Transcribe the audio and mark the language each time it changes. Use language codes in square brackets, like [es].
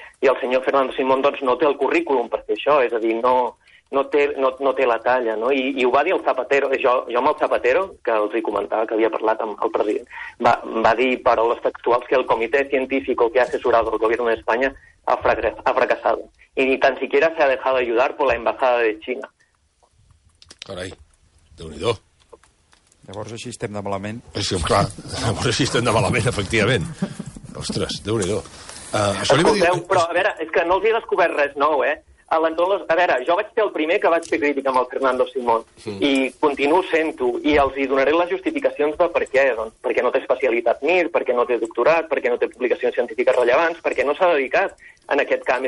[ca] I el senyor Fernando Simón doncs, no té el currículum per fer això, és a dir, no té la talla, no? I ho va dir el Zapatero, jo amb el Zapatero, que els hi comentava, que havia parlat amb el president, va dir paraules textuals que el comitè científic que ha assessorat el govern d'Espanya ha fracassat. [es] I ni tan siquiera se ha dejado ayudar por la embajada de China. [ca] Carai, Déu-n'hi-do. Llavors així estem de malament. Sí, clar, llavors així estem de malament, efectivament. Ostres, Déu-n'hi-do. Però a veure, és que no els he descobert res nou, eh? A veure, jo vaig ser el primer que vaig fer crítica amb el Fernando Simón i continuo sent-ho i els hi donaré les justificacions de per què, doncs, perquè no té especialitat MIR, perquè no té doctorat, perquè no té publicacions científiques rellevants, perquè no s'ha dedicat en aquest camp.